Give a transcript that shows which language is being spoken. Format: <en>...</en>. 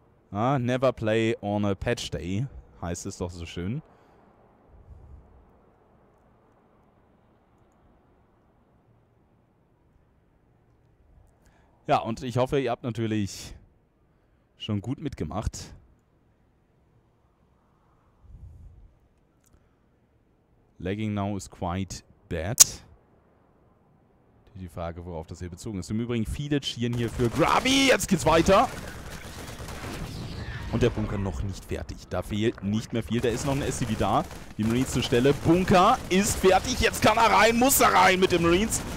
<en>Ah, never play on a patch day,</en> <de>heißt es doch so schön. Ja, und ich hoffe, ihr habt natürlich schon gut mitgemacht.</de> <en>Lagging now is quite bad.</en> <de>Die Frage, worauf das hier bezogen ist. Im Übrigen viele cheeren hier für Grabby. Jetzt geht's weiter. Und der Bunker noch nicht fertig. Da fehlt nicht mehr viel. Da ist noch ein SCV da. Die Marines zur Stelle. Bunker ist fertig. Jetzt kann er rein. Muss er rein mit den Marines.</de>